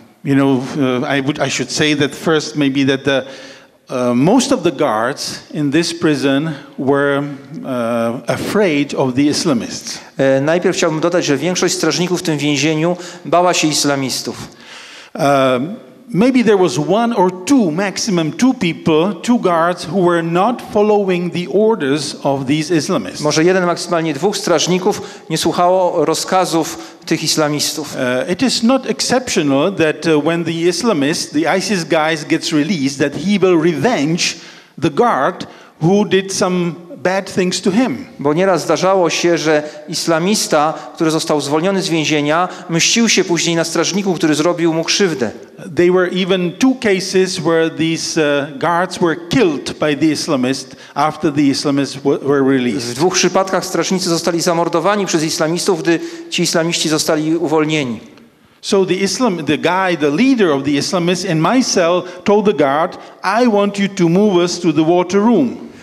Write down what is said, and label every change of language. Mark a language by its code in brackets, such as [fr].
[en] most of the guards in this prison were afraid of the Islamists. [pl] Najpierw chciałbym dodać, że większość strażników w tym więzieniu bała się islamistów. [en] Maybe there was one or two, maximum two people, two guards who were not following the orders of these Islamists. [pl] Może jeden, maksymalnie dwóch strażników nie słuchało rozkazów tych islamistów. [en] It is not exceptional that when the Islamist, the ISIS guys gets released, that he will revenge the guard who did some bad things to him. [pl] Bo nieraz zdarzało się, że islamista, który został zwolniony z więzienia, mścił się później na strażniku, który zrobił mu krzywdę. [en] There were even two cases where these guards were killed by the Islamist after the Islamists were released. [pl] W dwóch przypadkach strażnicy zostali zamordowani przez islamistów, gdy ci islamiści zostali uwolnieni. [en] So the Islam, the guy, the leader of the Islamists in my cell told the guard, "I want you to move us to the water room."